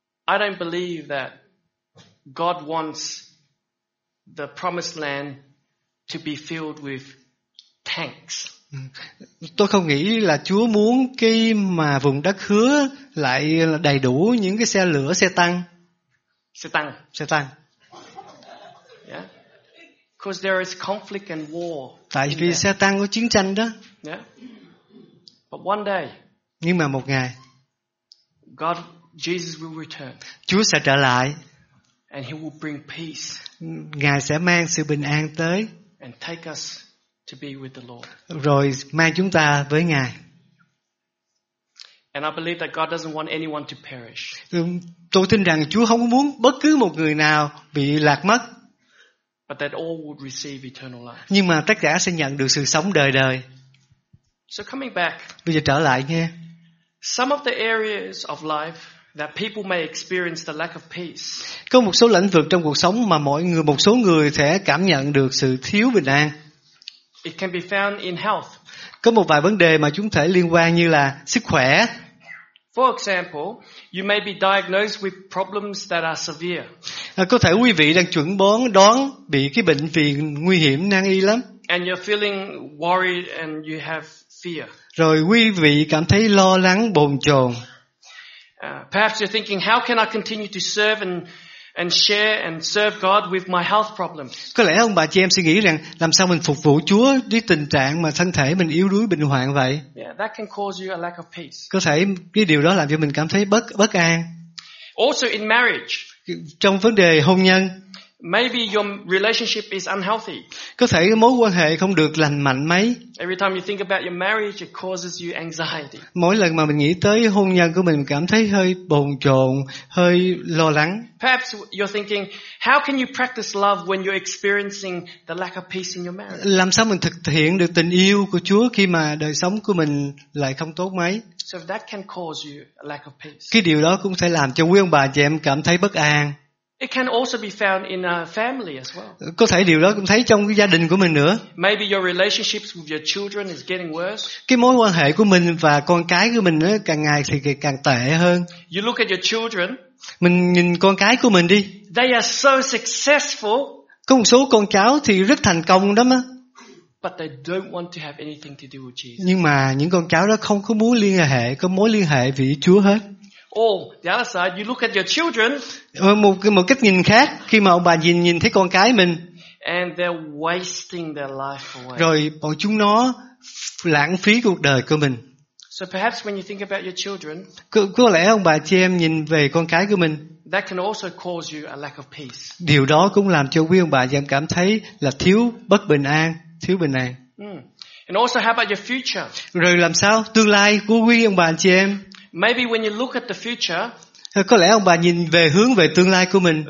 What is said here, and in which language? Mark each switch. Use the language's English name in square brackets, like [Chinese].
[English] I don't believe that God wants the promised land to be filled with tanks. [Vietnamese] Tôi không nghĩ là Chúa muốn cái mà vùng đất hứa lại đầy đủ những cái xe lửa, xe tăng. Xe tăng. Yeah. [English] Because there is conflict and war. [Vietnamese] Tại vì xe tăng có chiến tranh đó. [English] Yeah. But one day. [Vietnamese] Nhưng mà một ngày. [English] God, Jesus will return. [Vietnamese] Chúa sẽ trở lại. [English] And he will bring peace. [Vietnamese] Ngài sẽ mang sự bình an tới. [English] And take us to be with the Lord. [Vietnamese] Rồi mang chúng ta với Ngài. [English] And I believe that God doesn't want anyone to perish. [Vietnamese] Tôi tin rằng Chúa không muốn bất cứ một người nào bị lạc mất. [English] But that all would receive eternal life. [Vietnamese] Nhưng mà tất cả sẽ nhận được sự sống đời đời. [English] So coming back. [Vietnamese] Bây giờ trở lại nghe. [English] Some of the areas of life that people may experience the lack of peace. [Vietnamese] Có một số lĩnh vực trong cuộc sống mà một số người sẽ cảm nhận được sự thiếu bình an. [English] It can be found in health. [Vietnamese] Có một vài vấn đề mà chúng thể liên quan như là sức khỏe. [English] For example, you may be diagnosed with problems that are severe. [Vietnamese] Có thể quý vị đang chuẩn đoán bị cái bệnh viện nguy hiểm nan y lắm. [English] And you're feeling worried and you have fear. [Vietnamese] Rồi quý vị cảm thấy lo lắng bồn chồn. [English] Perhaps you're thinking, how can I continue to serve and share and serve God with my health problems? [Vietnamese] Có lẽ ông bà chị em suy nghĩ rằng làm sao mình phục vụ Chúa với tình trạng mà thân thể mình yếu đuối bệnh hoạn vậy? [English] Yeah, that can cause you a lack of peace. [Vietnamese] Có thể cái điều đó làm cho mình cảm thấy bất an. [English] Also in marriage. [Vietnamese] Trong vấn đề hôn nhân. [English] Maybe your relationship is unhealthy. [Vietnamese] Có thể mối quan hệ không được lành mạnh mấy. [English] Every time you think about your marriage, it causes you anxiety. [Vietnamese] Mỗi lần mà mình nghĩ tới hôn nhân của mình cảm thấy hơi bồn chồn, hơi lo lắng. [English] Perhaps you're thinking, how can you practice love when you're experiencing the lack of peace in your marriage? [Vietnamese] Làm sao mình thực hiện được tình yêu của Chúa khi mà đời sống của mình lại không tốt mấy? [English] So that can cause you a lack of peace. [Vietnamese] Cái điều đó cũng sẽ làm cho quý ông bà chị em cảm thấy bất an. [English] It can also be found in a family as well. [Vietnamese] Có thể điều đó cũng thấy trong cái gia đình của mình nữa. [English] Maybe your relationships with your children is getting worse. [Vietnamese] Cái mối quan hệ của mình và con cái của mình nó càng ngày thì càng tệ hơn. [English] You look at your children. [Vietnamese] Mình nhìn con cái của mình đi. [English] They are so successful. [Vietnamese] Có một số con cháu thì rất thành công đó mà. [English] But they don't want to have anything to do with Jesus. [Vietnamese] Nhưng mà những con cháu đó không có muốn liên hệ, có mối liên hệ với Chúa hết. [English] Oh, the other side, you look at your children. [Vietnamese] Một cách nhìn khác, khi mà ông bà nhìn thấy con cái mình. [English] And they're wasting their life away. [Vietnamese] Rồi bọn chúng nó lãng phí cuộc đời của mình. [English] So perhaps when you think about your children, [Vietnamese] có lẽ ông bà chị em nhìn về con cái của mình. [English] That can also cause you a lack of peace. [Vietnamese] Điều đó cũng làm cho quý ông bà chị em cảm thấy là thiếu bất bình an, thiếu bình an. [English] And also how about your future? [Vietnamese] Rồi làm sao tương lai của quý ông bà chị em? [English] Maybe when you look at the future, [Vietnamese] có lẽ ông bà nhìn về hướng về tương lai của mình.